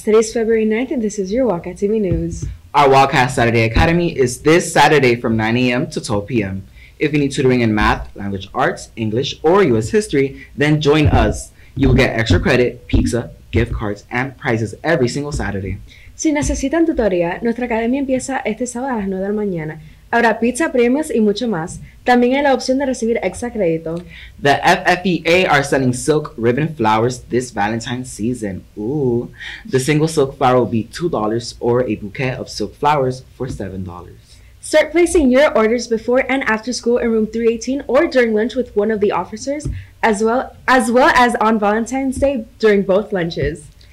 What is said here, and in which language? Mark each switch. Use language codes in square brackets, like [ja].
[en] Today's February 9th, and this is your Wildcat TV news. Our Wildcat Saturday Academy is this Saturday from 9 a.m. to 12 p.m. If you need tutoring in math, language arts, English, or U.S. history, then join us. You will get extra credit, pizza, gift cards, and prizes every single Saturday. [es] Si necesitan tutoría, nuestra academia empieza este sábado a las 9 de la mañana. Habrá pizza, premios, y mucho más. También hay la opción de recibir extra crédito. [en] The FFEA are selling silk ribbon flowers this Valentine's season. Ooh. The single silk flower will be $2 or a bouquet of silk flowers for $7. Start placing your orders before and after school in room 318 or during lunch with one of the officers, as well as on Valentine's Day during both lunches.